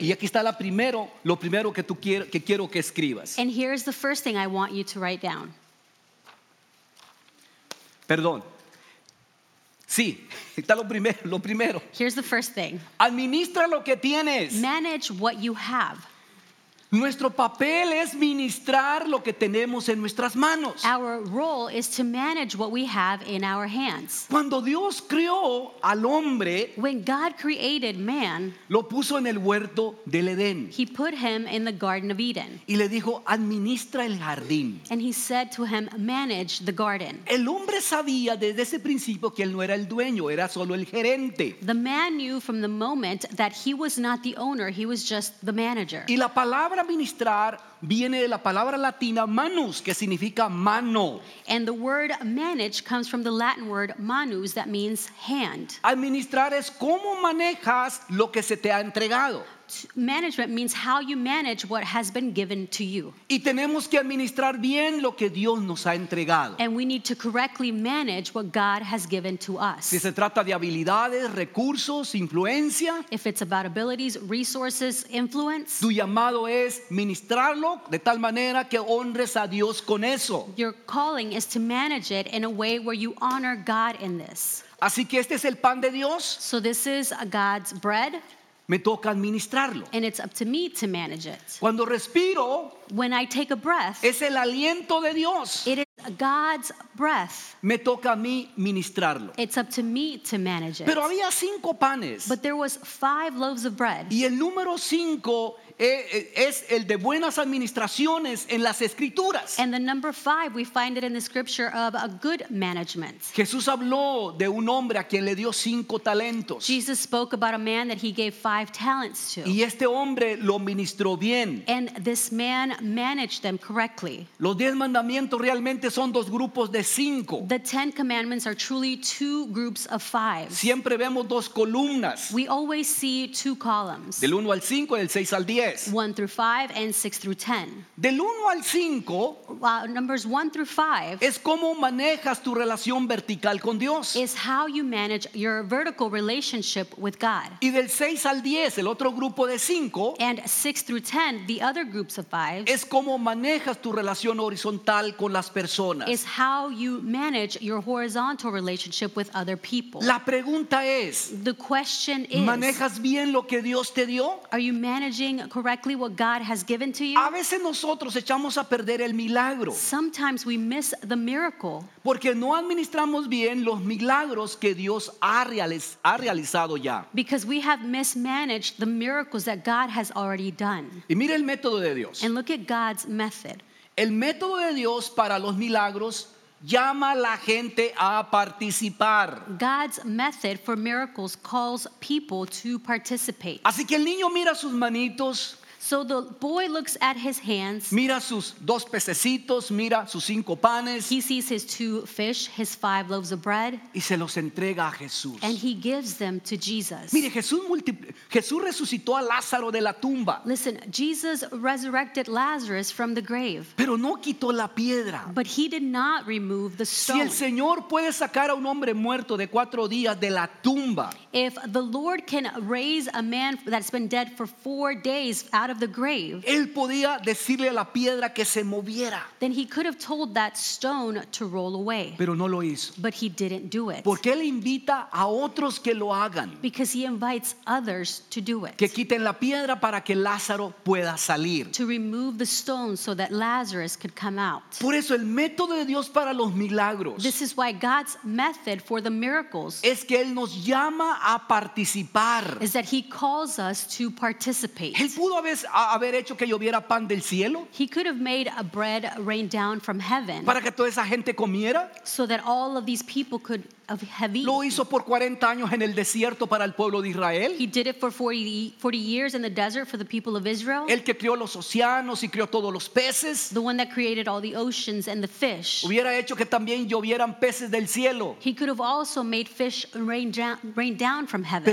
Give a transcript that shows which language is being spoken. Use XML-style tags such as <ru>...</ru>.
<es>Y aquí está lo primero que quiero que escribas.</es> <en>And here's the first thing I want you to write down.</en> <es>Perdón. Sí, está lo primero.</es> <en>Here's the first thing.</en> <es>Administra lo que tienes.</es> <en>Manage what you have.</en> <es>Nuestro papel es ministrar lo que tenemos en nuestras manos.</es> <en>Our role is to manage what we have in our hands.</en> <es>Cuando Dios creó al hombre,</es> <en>when God created man,</en> <es>lo puso en el huerto del Edén.</es> <en>He put him in the Garden of Eden.</en> <es>Y le dijo, administra el jardín.</es> <en>And he said to him, manage the garden.</en> <es>El hombre sabía desde ese principio que él no era el dueño, era solo el gerente.</es> <en>The man knew from the moment that he was not the owner, he was just the manager.</en> <es>Y la palabra administrar viene de la palabra latina manus, que significa mano.</es> <en>And the word manage comes from the Latin word manus, that means hand.</en> <es>Administrar es cómo manejas lo que se te ha entregado.</es> <en>Management means how you manage what has been given to you.</en> <es>Y tenemos que administrar bien lo que Dios nos ha entregado.</es> <en>And we need to correctly manage what God has given to us.</en> <es>Si se trata de habilidades, recursos, influencia.</es> <en>If it's about abilities, resources, influence.</en> <es>Tu llamado es ministrarlo de tal manera que honres a Dios con eso.</es> <en>Your calling is to manage it in a way where you honor God in this.</en> <es>Así que este es el pan de Dios.</es> <en>So this is God's bread.</en> <es>Me toca administrarlo.</es> <en>And it's up to me to manage it.</en> <es>Cuando respiro,</es> <en>when I take a breath,</en> <es>es el aliento de Dios.</es> <en>It is God's breath.</en> <es>Me toca a mí ministrarlo.</es> <en>It's up to me to manage it.</en> <es>Pero había cinco panes.</es> <en>But there was five loaves of bread.</en> <es>Y el número cinco es el de buenas administraciones en las escrituras.</es> <en>And the number five, we find it in the scripture of a good management.</en> <es>Jesús habló de un hombre a quien le dio cinco talentos.</es> <en>Jesus spoke about a man that he gave five talents to.</en> <es>Y este hombre lo ministró bien.</es> <en>And this man managed them correctly.</en> <es>Los diez mandamientos realmente son dos grupos de cinco.</es> <en>The ten commandments are truly two groups of five.</en> <es>Siempre vemos dos columnas.</es> <en>We always see two columns.</en> <es>Del uno al cinco, del seis al</es> <en>1 through 5 and 6 through 10.</en> <es>Del 1 al 5,</es> <en>numbers 1 through 5,</en> <es>es cómo manejas tu relación vertical con Dios.</es> <en>Is how you manage your vertical relationship with God.</en> <es>Y del 6 al 10, el otro grupo de 5,</es> <en>and 6 through 10, the other groups of 5,</en> <es>es cómo manejas tu relación horizontal con las personas.</es> <en>Is how you manage your horizontal relationship with other people.</en> <es>La pregunta es,</es> <en>the question is,</en> <es>¿manejas bien lo que Dios te dio?</es> <en>Are you managing correctly what God has given to you?</en> <es>A veces nosotros echamos a perder el milagro.</es> <en>Sometimes we miss the miracle.</en> <es>Porque no administramos bien los milagros que Dios ha realizado ya.</es> <en>Because we have mismanaged the miracles that God has already done.</en> <es>Y mira el método de Dios.</es> <en>And look at God's method.</en> <es>El método de Dios para los milagros llama a la gente a participar.</es> <en>God's method for miracles calls people to participate.</en> <es>Así que el niño mira sus manitos.</es> <en>So the boy looks at his hands.</en> <es>Mira sus dos pececitos, mira sus cinco panes.</es> <en>He sees his two fish, his five loaves of bread.</en> <es>Y se los entrega a Jesús.</es> <en>And he gives them to Jesus.</en> <es>Mire, Jesús resucitó a Lázaro de la tumba.</es> <en>Listen, Jesus resurrected Lazarus from the grave.</en> <es>Pero no quitó la piedra.</es> <en>But he did not remove the stone.</en> <es>Si el Señor puede sacar a un hombre muerto de cuatro días de la tumba.</es> <en>If the Lord can raise a man that's been dead for 4 days out of the grave,</en> <es>él podía decirle a la piedra que se moviera.</es> <en>Then he could have told that stone to roll away.</en> <es>Pero no lo hizo.</es> <en>But he didn't do it.</en> <es>Porque él invita a otros que lo hagan.</es> <en>Because he invites others to do it.</en> <es>Que quiten la piedra para que Lázaro pueda salir.</es> <en>To remove the stone so that Lazarus could come out.</en> <es>Por eso el método de Dios para los milagros.</es> <en>This is why God's method for the miracles.</en> <es>Es que él nos llama a participar.</es> <en>Is that he calls us to participate.</en> <es>Él pudo haber hecho que lloviera pan del cielo.</es> <en>He could have made a bread rain down from heaven.</en> <es>Para que toda esa gente comiera.</es> <en>So that all of these people could have eaten.</en> <es>Lo hizo por 40 años en el desierto para el pueblo de Israel.</es> <en>He did it for 40 years in the desert for the people of Israel.</en> <es>El que crió los océanos y crió todos los peces.</es> <en>The one that created all the oceans and the fish.</en> <es>Hubiera hecho que también llovieran peces del cielo.</es> <en>He could have also made fish rain down from heaven.</en>